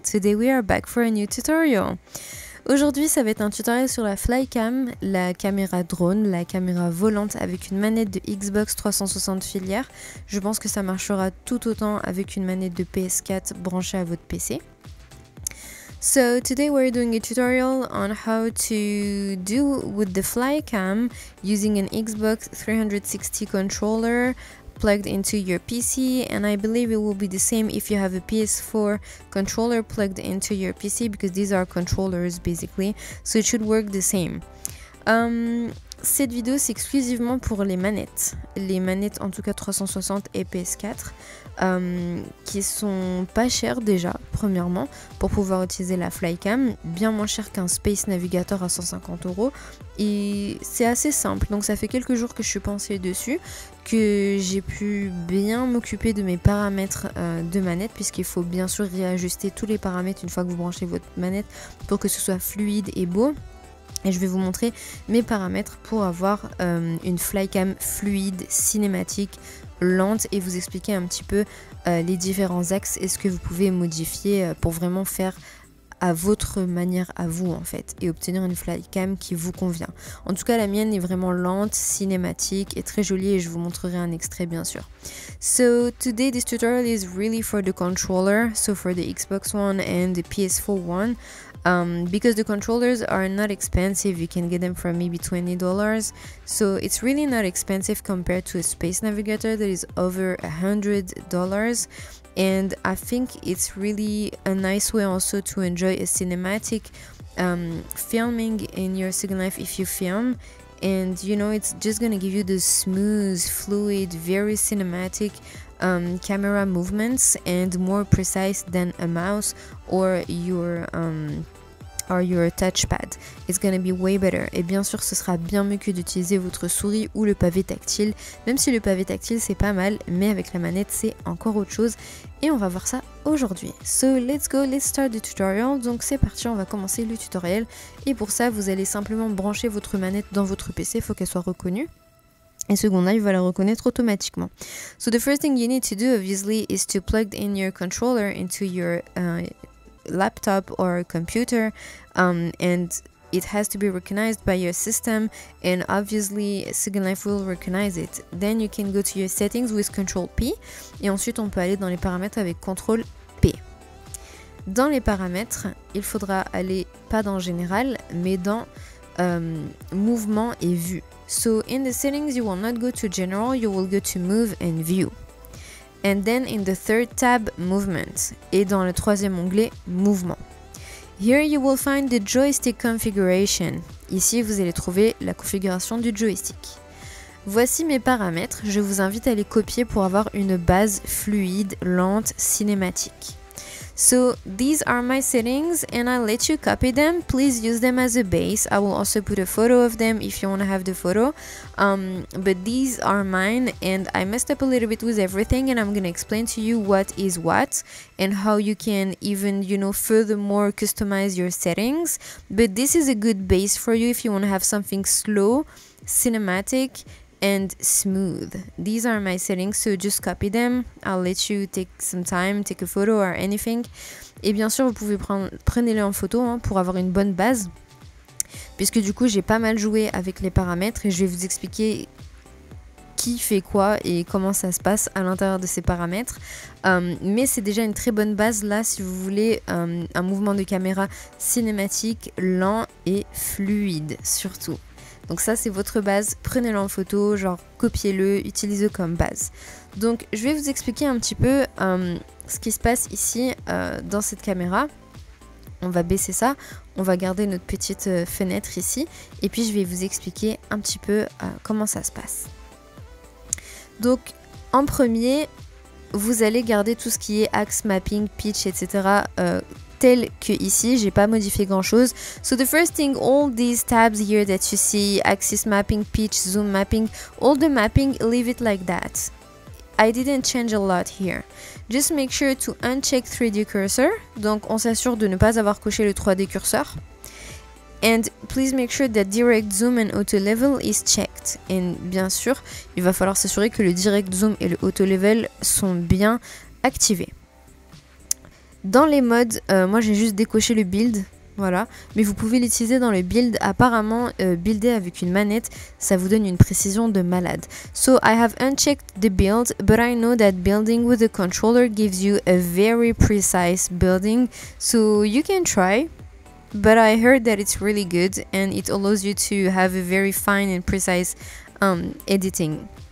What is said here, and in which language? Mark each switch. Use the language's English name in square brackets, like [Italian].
[English] Today we are back for a new tutorial. [French] Aujourd'hui ça va être un tutoriel sur la Flycam, la caméra drone, la caméra volante avec une manette de Xbox 360 filière. Je pense que ça marchera tout autant avec une manette de PS4 branchée à votre PC. [English] So today we're doing a tutorial on how to do with the Flycam using an Xbox 360 controller plugged into your PC, and I believe it will be the same if you have a PS4 controller plugged into your PC because these are controllers basically, so it should work the same. [French] Cette vidéo c'est exclusivement pour les manettes en tout cas 360 et PS4 qui sont pas chères déjà premièrement pour pouvoir utiliser la Flycam, bien moins cher qu'un Space Navigator à 150 €, et c'est assez simple. Donc ça fait quelques jours que je suis pensée dessus, que j'ai pu bien m'occuper de mes paramètres de manette, puisqu'il faut bien sûr réajuster tous les paramètres une fois que vous branchez votre manette pour que ce soit fluide et beau. Et je vais vous montrer mes paramètres pour avoir une Flycam fluide, cinématique, lente, et vous expliquer un petit peu les différents axes et ce que vous pouvez modifier pour vraiment faire à votre manière à vous en fait, et obtenir une Flycam qui vous convient. En tout cas la mienne est vraiment lente, cinématique et très jolie, et je vous montrerai un extrait bien sûr. [English] So today this tutorial is really for the controller, so for the Xbox One and the PS4 One. Because the controllers are not expensive, you can get them for maybe $20. So it's really not expensive compared to a Space Navigator that is over $100. And I think it's really a nice way also to enjoy a cinematic filming in your Second Life if you film. And you know, it's just gonna give you the smooth, fluid, very cinematic camera movements, and more precise than a mouse or your touchpad. It's gonna be way better. [French] Et bien sûr, ce sera bien mieux que d'utiliser votre souris ou le pavé tactile. Même si le pavé tactile, c'est pas mal, mais avec la manette, c'est encore autre chose. Et on va voir ça aujourd'hui. [English] So, let's go, let's start the tutorial. [French] Donc, c'est parti, on va commencer le tutoriel. Et pour ça, vous allez simplement brancher votre manette dans votre PC. Il faut qu'elle soit reconnue. Et Second Life va la reconnaître automatiquement. [English] So, the first thing you need to do, obviously, is to plug in your controller into your laptop or computer, and it has to be recognized by your system, and obviously Second Life will recognize it. Then you can go to your settings with Control P, [French] et ensuite on peut aller dans les paramètres avec Control P. Dans les paramètres, il faudra aller pas dans général, mais dans mouvement et vue. [English] So in the settings, you will not go to general, you will go to move and view. And then in the third tab, movement. [French] Et dans le troisième onglet, mouvement. [English] Here you will find the joystick configuration. [French] Ici, vous allez trouver la configuration du joystick. Voici mes paramètres. Je vous invite à les copier pour avoir une base fluide, lente, cinématique. [English] So, these are my settings and I'll let you copy them. Please use them as a base. I will also put a photo of them if you want to have the photo. But these are mine and I messed up a little bit with everything, and I'm going to explain to you what is what and how you can even, you know, furthermore customize your settings. But this is a good base for you if you want to have something slow, cinematic and smooth. These are my settings, so just copy them. I'll let you take some time, take a photo or anything. [French] Et bien sûr, vous pouvez prenez-les en photo hein, pour avoir une bonne base, puisque du coup, j'ai pas mal joué avec les paramètres et je vais vous expliquer qui fait quoi et comment ça se passe à l'intérieur de ces paramètres. Mais c'est déjà une très bonne base là si vous voulez un mouvement de caméra cinématique, lent et fluide surtout. Donc ça c'est votre base, prenez-le en photo, genre copiez-le, utilisez-le comme base. Donc je vais vous expliquer un petit peu ce qui se passe ici dans cette caméra. On va baisser ça, on va garder notre petite fenêtre ici, et puis je vais vous expliquer un petit peu comment ça se passe. Donc en premier, vous allez garder tout ce qui est axe, mapping, pitch, etc. Tel que ici, j'ai pas modifié grand chose. [English] So the first thing, all these tabs here that you see, axis mapping, pitch, zoom mapping, all the mapping, leave it like that. I didn't change a lot here. Just make sure to uncheck 3D cursor. [French] Donc on s'assure de ne pas avoir coché le 3D curseur. [English] And please make sure that direct zoom and auto level is checked. [French] Et bien sûr, il va falloir s'assurer que le direct zoom et le auto level sont bien activés. Dans les modes, moi j'ai juste décoché le build, voilà. Mais vous pouvez l'utiliser dans le build. Apparemment, builder avec une manette, ça vous donne une précision de malade. [English] So I have unchecked the build, but I know that building with a controller gives you a very precise building. So you can try. But I heard that it's really good and it allows you to have a very fine and precise editing.